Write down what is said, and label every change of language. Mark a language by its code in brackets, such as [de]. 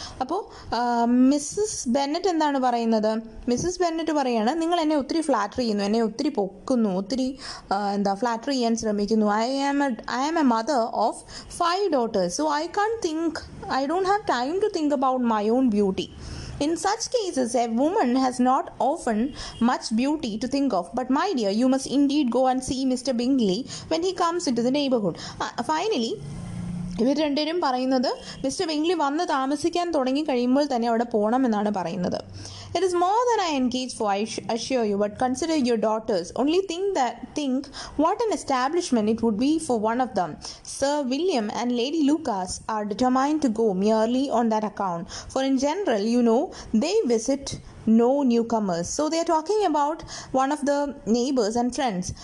[ml] അപ്പോൾ Mrs Bennett എന്താണ് പറയുന്നത്? മിസ്സസ് ബെന്നറ്റ് പറയാണ് നിങ്ങൾ എന്നെ ഒത്തിരി ഫ്ലാറ്റർ ചെയ്യുന്നു, എന്നെ ഒത്തിരി പൊക്കുന്നു, ഒത്തിരി എന്താ ഫ്ലാറ്റർ ചെയ്യാൻ ശ്രമിക്കുന്നു. [en] I am a mother of 5 daughters. So I can't think, I don't have time to think about my own beauty. In such cases, a woman has not often much beauty to think of. But my dear, you must indeed go and see Mr. Bingley when he comes into the neighborhood. [ml] Finally, ഇവർ രണ്ടുപേരും പറയുന്നത് mister ബിങ്ക്ലി വന്ന് താമസിക്കാൻ തുടങ്ങി കഴിയുമ്പോൾ തന്നെ അവിടെ പോകണമെന്നാണ് പറയുന്നത്. [en] It is more than I engage for, I assure you, but consider your daughters. Only think what an establishment it would be for one of them. Sir William and lady Lucas are determined to go merely on that account. For in general, you know, they visit no newcomers. So they are talking about one of the neighbors and friends.